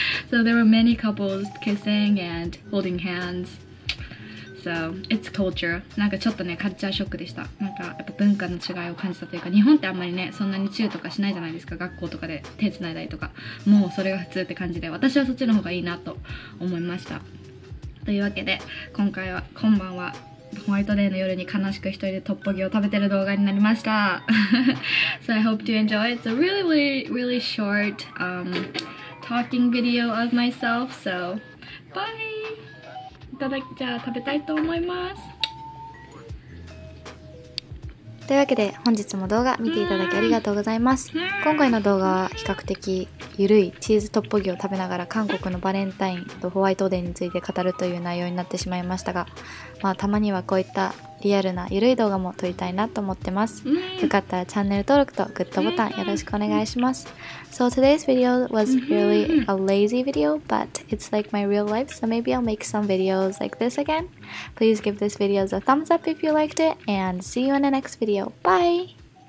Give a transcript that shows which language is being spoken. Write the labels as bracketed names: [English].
[English] So there were many couples kissing and holding hands. So, it's culture. [Japanese] なんかちょっとね、カルチャーショックでした。なんかやっぱ文化の違いを感じたというか、日本ってあんまりね、そんなにチューとかしないじゃないですか、学校とかで手つないだりとか。もうそれが普通って感じで、私はそっちの方がいいなと思いました。というわけで、今晩はホワイトデーの夜に悲しく一人でトッポギを食べてる動画になりました。 [English] So I hope you enjoy. It's a really, really, really short, talking video of myself. So, bye! [Japanese] というわけで本日も動画見ていただきありがとうございます。今回の動画は比較的ゆるいチーズトッポギを食べながら韓国のバレンタインとホワイトデーについて語るという内容になってしまいましたが、まあ、たまにはこういったリアルなゆるい動画も撮りたいなと思ってます。よかったらチャンネル登録とグッドボタンよろしくお願いします。 [English] So today's video was really a lazy video, but it's like my real life, so maybe I'll make some videos like this again. Please give this video a thumbs up if you liked it, and see you in the next video. Bye!